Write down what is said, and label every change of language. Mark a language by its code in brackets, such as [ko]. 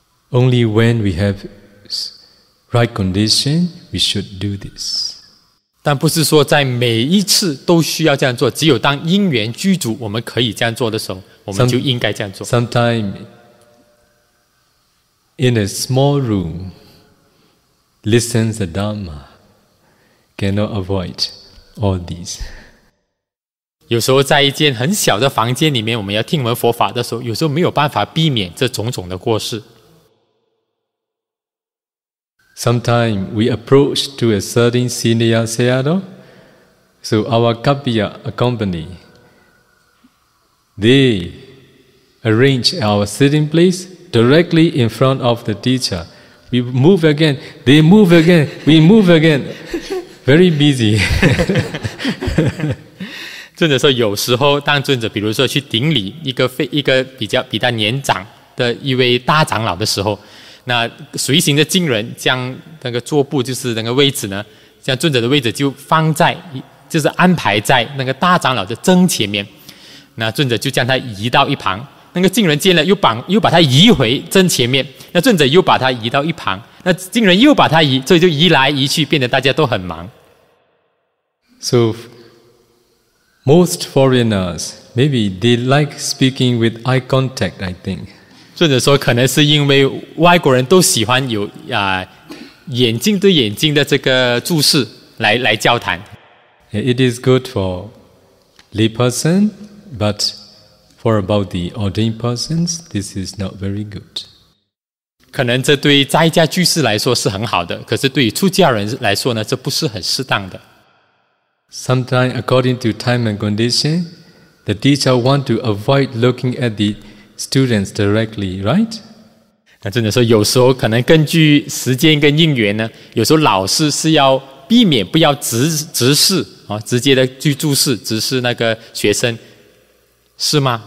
[en] Only when we have right condition, we should do this. [zh] 但不是说在每一次都需要这样做，只有当因缘具足我们可以这样做的时候，我们就应该这样做。 [en] Sometime in a small room listen the Dharma cannot avoid all these. [zh] 有时候在一间很小的房间里面，我们要听闻佛法的时候，有时候没有办法避免这种种的过失。 [en] Sometime we approach to a certain senior sayadaw, so our kapiya company, they arrange our sitting place directly in front of the teacher. We move again, they move again, we move again. Very busy. [zh] 尊者说，有时候当尊者，比如说去顶礼一个比较年长的一位大长老的时候。那随行的经人将那个桌布，就是那个位置呢，将尊者的位置就放在，就是安排在那个大长老的正前面。那尊者就将他移到一旁，那个经人见了又把他移回正前面，那尊者又把他移到一旁，那经人又把他移，所以就移来移去，变得大家都很忙。 [en] So most foreigners maybe they like speaking with eye contact, I think. [zh] 尊者说，可能是因为外国人都喜欢有眼睛对眼睛的这个注视来交谈。 [en] It is good for lay person, but for about the ordained persons, this is not very good. [zh] 可能这对在家居士来说是很好的，可是对于出家人来说呢，这不是很适当的。 [en] Sometimes, according to time and condition, the teacher want to avoid looking at theStudents directly, right? [zh] 那真的说，有时候可能根据时间跟因缘呢，有时候老师是要避免不要直视啊，直接的去注视直视那个学生，是吗？